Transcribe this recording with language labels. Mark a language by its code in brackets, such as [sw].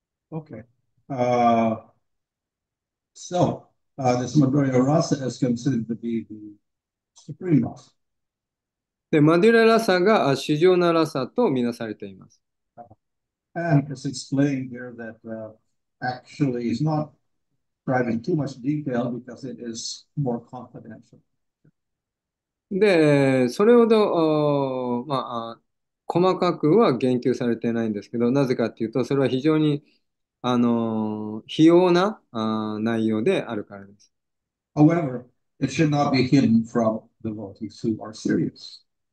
[en] Okay. So, this Madhurya Rasa is considered to be the supreme rasa. [ja] で、マデュララサが至上なラサとみなされています。 [en] And it's explained here that actually it's not driving too much detail because it is more confidential. [ja] で、それほど、まあ、細かくは言及されてないんですけど、なぜかというと、それは非常に非要な内容であるからです。 [en] However, it should not be hidden from devotees who are serious.